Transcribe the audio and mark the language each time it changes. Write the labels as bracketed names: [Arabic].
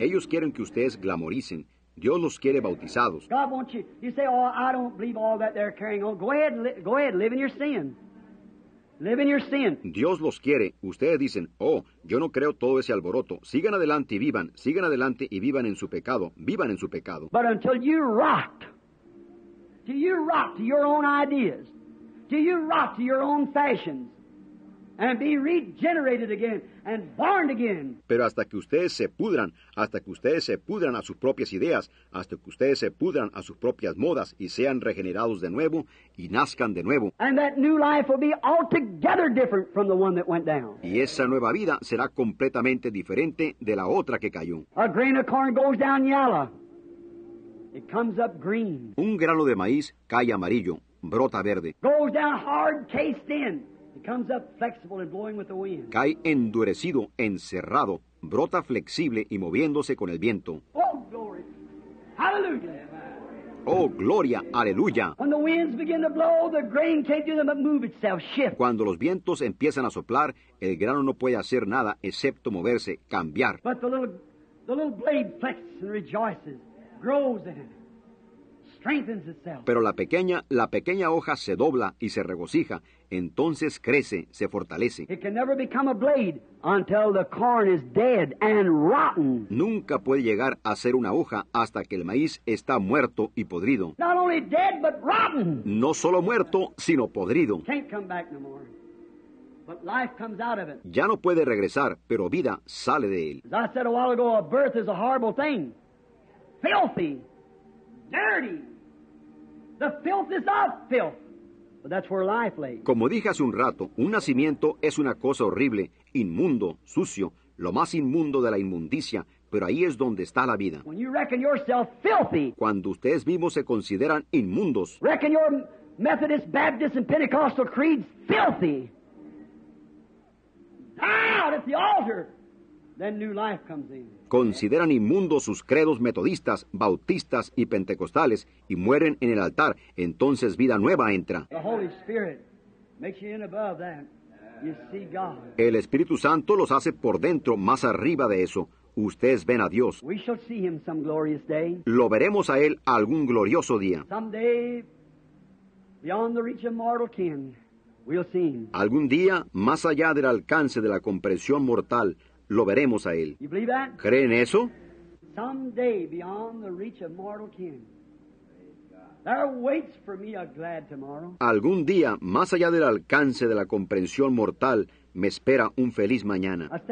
[Spanish] Ellos quieren que ustedes glamoricen. Dios los quiere bautizados. [English] God wants you. You say, "Oh, I don't believe all that they're carrying on." Go ahead, live in your sin. Live in your sin. [Spanish] Dios los quiere. Ustedes dicen, "Oh, yo no creo todo ese alboroto." Sigan adelante y vivan. Sigan adelante y vivan en su pecado. Vivan en su pecado. [English] But until you rot, till you rot to your own ideas, till you rot to your own fashions. And be regenerated again and born again. [Spanish] Pero hasta que ustedes se pudran, hasta que ustedes se pudran a sus propias ideas, hasta que ustedes se pudran a sus propias modas y sean regenerados de nuevo y nazcan de nuevo. [English] And that new life will be altogether different from the one that went down. [Spanish] Y esa nueva vida será completamente diferente de la otra que cayó. [English] A grain of corn goes down yellow. It comes up green. [Spanish] Un grano de maíz cae amarillo, brota verde. [English] Goes down hard, cased in. It comes up flexible and blowing with the wind. [Spanish] Cae endurecido, encerrado, brota flexible y moviéndose con el viento. [English] Oh, glory. Hallelujah. [Spanish] Oh, gloria, aleluya. [English] When the winds begin to blow, the grain can't do them but move itself, shift. [Spanish] Cuando los vientos empiezan a soplar, el grano no puede hacer nada excepto moverse, cambiar. [English] But the little blade flexes and rejoices, grows in it. [Spanish] Pero la pequeña hoja se dobla y se regocija, entonces crece, se fortalece. [English] It can never become a blade until the corn is dead and rotten. [Spanish] Nunca puede llegar a ser una hoja hasta que el maíz está muerto y podrido. [English] Not only dead, but rotten. [Spanish] No solo muerto, sino podrido. [English] Can't come back no more. But life comes out of it. [Spanish] Ya no puede regresar, pero vida sale de él. [English] As I said a while ago, a birth is a horrible thing. Filthy. Dirty. The filth is of filth. But that's where life lays. [Spanish] Como dije hace un rato, un nacimiento es una cosa horrible, inmundo, sucio, lo más inmundo de la inmundicia, pero ahí es donde está la vida. [English] When you reckon yourself filthy, [Spanish] cuando ustedes mismos se consideran inmundos, [English] reckon your Methodist, Baptist, and Pentecostal creeds filthy, out at the altar. Then new life comes in. [Spanish] Consideran inmundos sus credos metodistas, bautistas y pentecostales y mueren en el altar, entonces vida nueva entra. [English] The Holy Spirit makes you in above that. You see God. [Spanish] El Espíritu Santo los hace por dentro, más arriba de eso. Ustedes ven a Dios. [English] We shall see him some glorious day. [Spanish] Lo veremos a Él algún glorioso día. [English] Someday, beyond the reach of mortal ken, we'll see him. [Spanish] Algún día, más allá del alcance de la comprensión mortal, lo veremos a Él. [English] You believe that? [Spanish] ¿Creen eso? [English] Someday beyond the reach of mortal kin, there waits for me a glad tomorrow. [Spanish] Algún día, más allá del alcance de la comprensión mortal, me espera un feliz mañana.